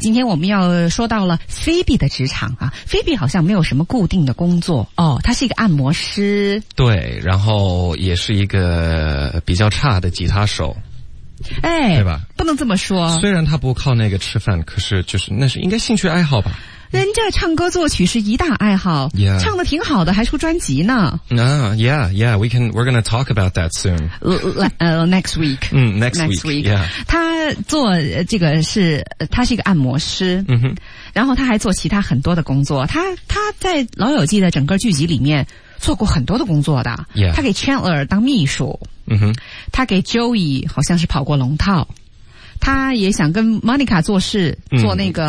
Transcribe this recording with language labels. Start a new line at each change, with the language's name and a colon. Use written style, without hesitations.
Chinese: 今天我们要说到了菲比的职场啊，菲比好像没有什么固定的工作哦，他是一个按摩师，对，然后也是一个比较差的吉他手。哎，对吧，不能这么说，虽然他不靠那个吃饭，可是就是那是应该兴趣爱好吧，人家唱歌作曲是一大爱好、 yeah. 唱得挺好的，还出专辑呢、
English: yeah, yeah, we're gonna talk about that soon next week、 next week、yeah.
Chinese: 他做这个是他是一个按摩师、 mm-hmm. 然后他还做其他很多的工作，他在老友记的整个剧集里面做过很多的工作的、 yeah. 他给 Chandler 当秘书，他给 Joey 好像是跑过龙套，他也想跟 Monica 做事、做那个